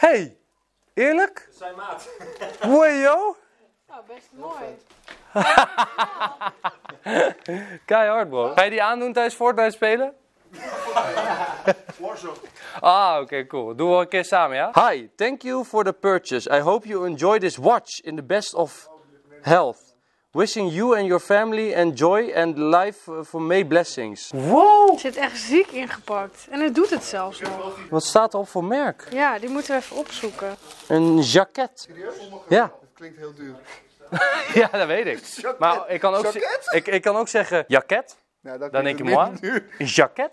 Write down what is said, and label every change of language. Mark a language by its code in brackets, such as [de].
[nl] Hé, hey, eerlijk? Zijn maat. Mooi, joh. Nou, best mooi. Keihard, bro. Ga je die aandoen tijdens Fortnite spelen? Ah, oké, okay, cool. Doen we een keer samen, ja? [en] Hi, thank you for the purchase. I hope you enjoy this watch in the best of health. Wishing you and your family enjoy and life for May blessings. Wow! [nl] Het zit echt ziek ingepakt. En het doet het zelfs nog. Wat staat er op voor merk? Ja, die moeten we even opzoeken. Een jacket. Ja. Het klinkt heel duur. Ja, dat weet ik. Jacket. Maar ik kan ook, ik kan ook zeggen jacket. Ja, dan denk je moi. Een jacket?